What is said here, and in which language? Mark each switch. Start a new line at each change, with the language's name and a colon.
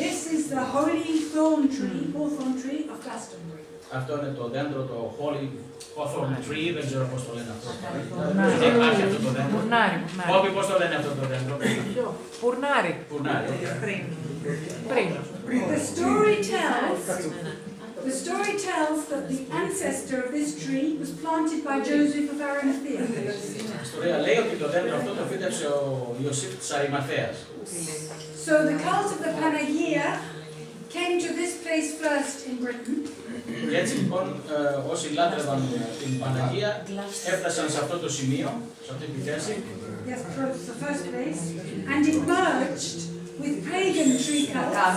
English: This is the holy thorn tree, hawthorn tree of Glastonbury.
Greek: Αυτό είναι το δέντρο, το
English: holy hawthorn tree,
Greek: δεν ξέρω πώς το λένε αυτό. Δεν υπάρχει αυτό το δέντρο. Πουρνάρι. Πόπι, πώς το λένε αυτό το δέντρο. Πουρνάρι. Πουρνάρι. Πριν.
English: The story tells... The story tells that the ancestor of this tree was planted by Joseph of Arimathea.
Greek: Ιστορία λέει ότι το δέντρο αυτό το φύτεψε ο Ιωσήφ της Αριμαθέας.
English: So the cult of the Panagia came to this place first in Britain.
Greek: Και έτσι λοιπόν όσοι λάτρευαν την Παναγία έφτασαν σε αυτό το σημείο, σε αυτή τη θέση.
English: Yes, the first place. And it merged with pagan tree cults.